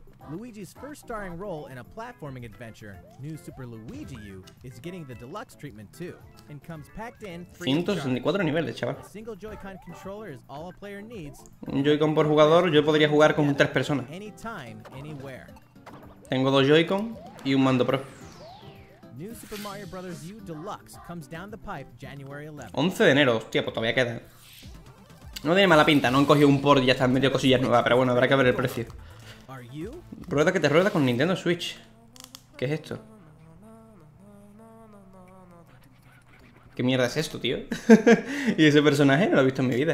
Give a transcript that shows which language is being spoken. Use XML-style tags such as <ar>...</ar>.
<en>Luigi's first starring role in a platforming adventure, New Super Luigi U, is getting the deluxe treatment too, and comes packed in.</en> <es>164 niveles, chaval.</es> <en>Single Joy-Con controller is all a player needs.</en> <es>Un Joy-Con por jugador, yo podría jugar con tres personas.</es> <en>Anytime, anywhere.</en> <es>Tengo dos Joy-Con y un mando pro.</es> <en>New Super Mario Bros. U Deluxe comes down the pipe January 11th.</en> <es>11 de enero, hostia, pues todavía queda. No tiene mala pinta, no han cogido un port y ya están medio cosillas nuevas, pero bueno, habrá que ver el precio. Rueda que te rueda con Nintendo Switch. ¿Qué es esto? ¿Qué mierda es esto, tío? Y ese personaje no lo he visto en mi vida.</es>